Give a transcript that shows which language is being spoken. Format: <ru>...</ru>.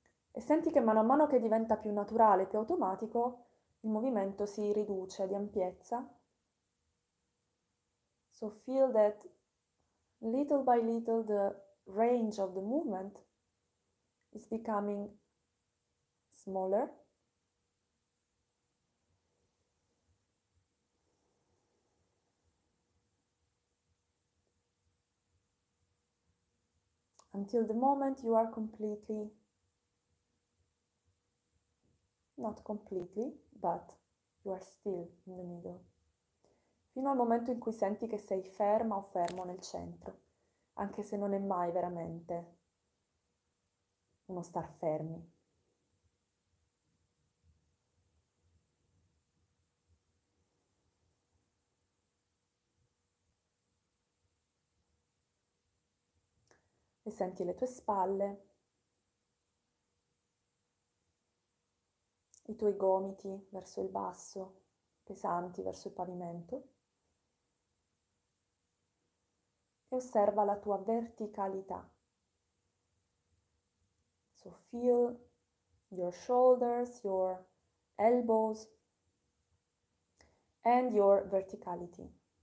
<it>E senti che mano a mano che diventa più naturale, più automatico, il movimento si riduce di ampiezza.</it> <en>So feel that little by little the range of the movement is becoming smaller. Until the moment you are completely. Not completely, but you are still in the middle.</en> <it>Fino al momento in cui senti che sei ferma o fermo nel centro, anche se non è mai veramente uno star fermi. senti le tue spalle, i tuoi gomiti verso il basso, pesanti verso il pavimento, e osserva la tua verticalità.</it> <en>So feel your shoulders, your elbows and your verticality.</en>